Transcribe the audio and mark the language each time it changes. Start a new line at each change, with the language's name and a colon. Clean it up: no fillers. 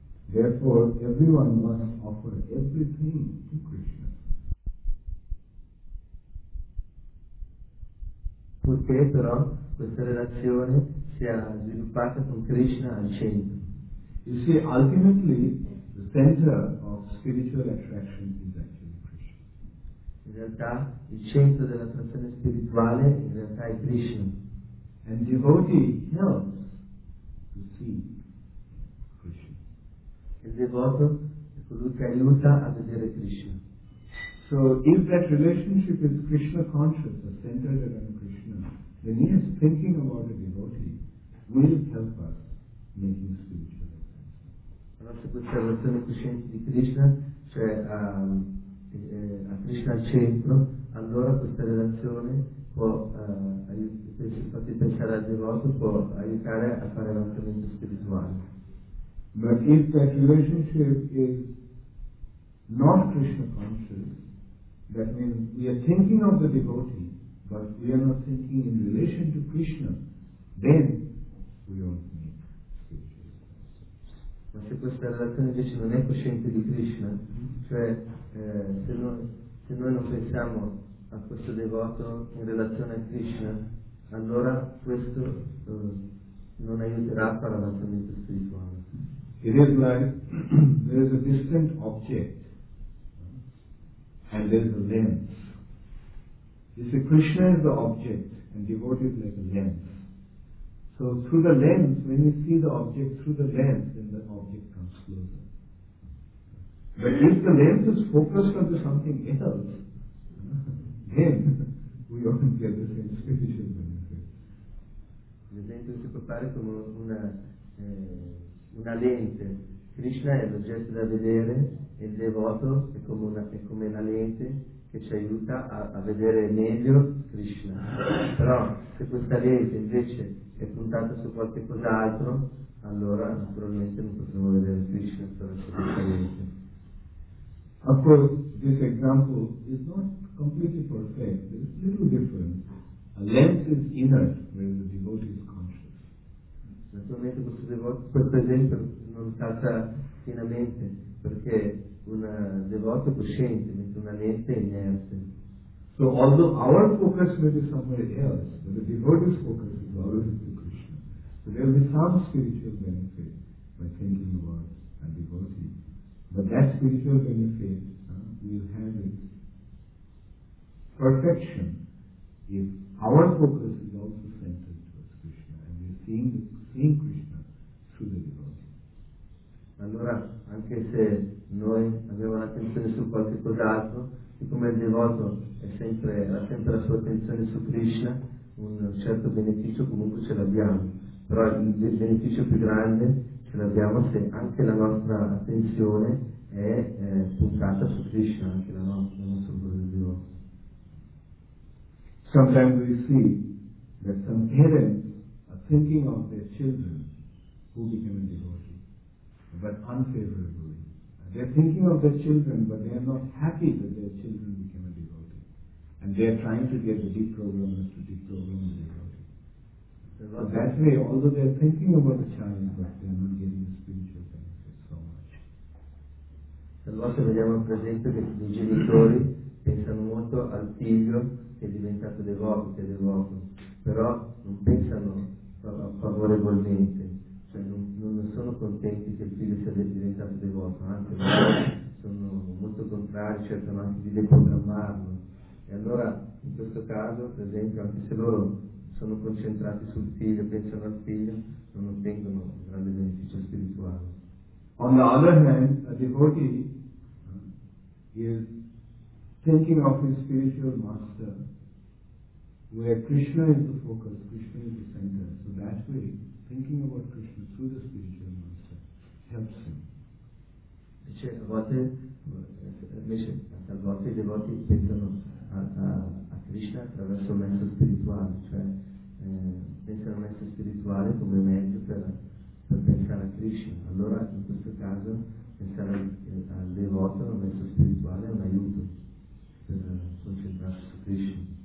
English: Therefore, everyone must offer everything to Krishna.
Italian: Purché però questa relazione sia sviluppata con Krishna al centro.
English: You see, ultimately, the center of spiritual attraction is actually Krishna.
Italian: In realtà, il centro dell'attrazione spirituale in realtà è Krishna.
English: And devotee helps to see.
Italian: Il devoto è colui che aiuta a vedere Krishna.
English: So if that relationship is Krishna conscious or centered around Krishna, then yes, thinking about a devotee will help us making spiritual attraction.
Italian: Allora se questa relazione cosciente di Krishna, cioè a Krishna al centro, allora questa relazione può infatti pensare al devoto può aiutare a fare l'avanzamento spirituale.
English: But if that relationship is not Krishna conscious, that means we are thinking of the devotee, but we are not thinking in relation to Krishna, then we won't make spiritual attachment.
Italian: Ma se questa relazione invece non è cosciente di Krishna, cioè se noi non pensiamo a questo devoto in relazione a Krishna, allora questo non aiuterà per l'avanzamento spirituale.
English: It is like there is a distant object and there is a lens. You see, Krishna is the object and devotee is like a lens. So through the lens, when you see the object through the lens, then the object comes closer. But if the lens is focused onto something else, then we won't get the same spiritual benefit.
Italian: Una lente. Krishna è l'oggetto da vedere e il devoto è come la lente che ci aiuta a vedere meglio Krishna. Però se questa lente invece è puntata su qualche cos'altro, allora naturalmente non possiamo vedere Krishna attraverso questa lente.
English: Of course, this example is not completely perfect. There's a little difference. A lens is inner, where the devotee is conscious.
Italian: Naturalmente questo esempio non calza pienamente perché un devoto è cosciente mentre una lente è inerte.
English: So although our focus may be somewhere else, but the devotee's focus is always into Krishna. So there will be some spiritual benefit by thinking about a devotee. But that spiritual benefit will have its perfection if our focus is also centered towards Krishna and we're seeing Krishna through the devotee.
Italian: Allora, anche se noi abbiamo l'attenzione su qualche cos'altro, siccome il devoto è sempre, ha sempre la sua attenzione su Krishna, un certo beneficio comunque ce l'abbiamo. Però il beneficio più grande ce l'abbiamo se anche la nostra attenzione è puntata su Krishna, anche la nostra, il nostro cuore di devoto.
English: Sometimes we see that some parents are thinking of their children who became a devotee, but unfavorably. They're thinking of their children, but they are not happy that their children became a devotee. And they are trying to get a deprogrammer to deprogram a devotee. So that way, although they are thinking about the child, but they are not getting the spiritual benefit so much.
Italian: Talvolta vediamo per esempio che i genitori pensano molto al figlio che è diventato devoto, che è devoto, però non pensano favorevolmente, cioè non sono contenti che il figlio sia diventato devoto, anche sono molto contrari, cercano anche di deprogrammarlo. E allora in questo caso, per esempio, anche se loro sono concentrati sul figlio, pensano al figlio, non ottengono un grande beneficio spirituale.
English: On the other hand, a devotee is thinking of his spiritual master, where Krishna is the focus, Krishna is the center. So that way, thinking about Krishna through the spiritual master helps him.
Italian: Dice, a volte, invece, a volte i devoti pensano a Krishna attraverso il mezzo spirituale, cioè pensano al mezzo spirituale come mezzo per pensare a Krishna. Allora, in questo caso, pensare al devoto, al mezzo spirituale, è un aiuto per concentrarsi su Krishna.